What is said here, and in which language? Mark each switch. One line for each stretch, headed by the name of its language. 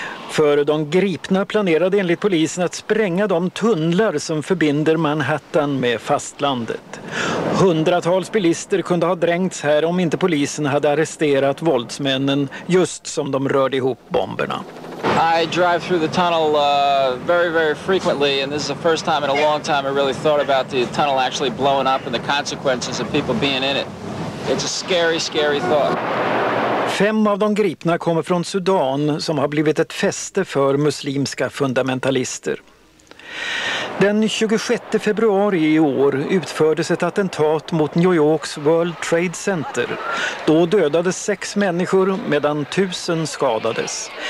Swedish: För de gripna planerade enligt polisen att spränga de tunnlar som förbinder Manhattan med fastlandet. Hundratals bilister kunde ha drängts här om inte polisen hade arresterat våldsmännen just som de rörde ihop bomberna.
English: I drive through the tunnel very, very frequently, and this is the first time in a long time I really thought about the tunnel actually blowing up and the consequences of people being in it. It's a scary, scary thought.
Swedish: 5 av de gripna kommer från Sudan som har blivit ett fäste för muslimska fundamentalister. Den 26 februari i år utfördes ett attentat mot New Yorks World Trade Center. Då dödades 6 människor medan 1000 skadades.